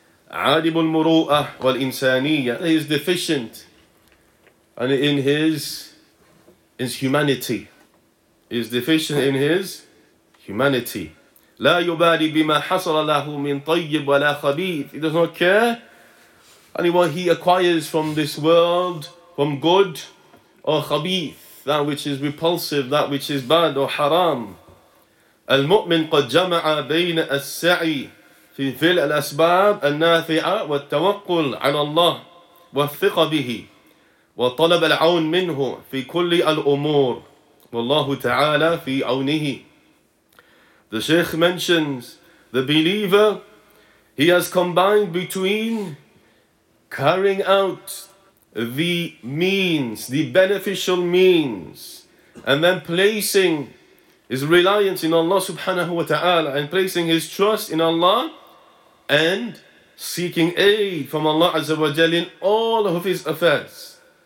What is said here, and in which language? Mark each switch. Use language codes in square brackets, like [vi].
[ar] عادم المروءة والإنسانية. [en] He is deficient and in his humanity. He is deficient in his humanity. [ar] لا يبالي بما حصل له من طيب ولا خبيث. [en] He does not care and what he acquires from this world, from good or خبيث, that which is repulsive, that which is bad or haram. [ar] المؤمن قد جمع بين السعي في الأسباب النافعة والتوكل على الله والثقة به وطلب العون منه في كل الأمور والله تعالى في عونه. [en] The Shaykh mentions the believer, he has combined between carrying out the means, the beneficial means, and then placing his reliance in Allah subhanahu wa ta'ala and placing his trust in Allah and seeking aid from Allah Azza wa Jal in all of his affairs.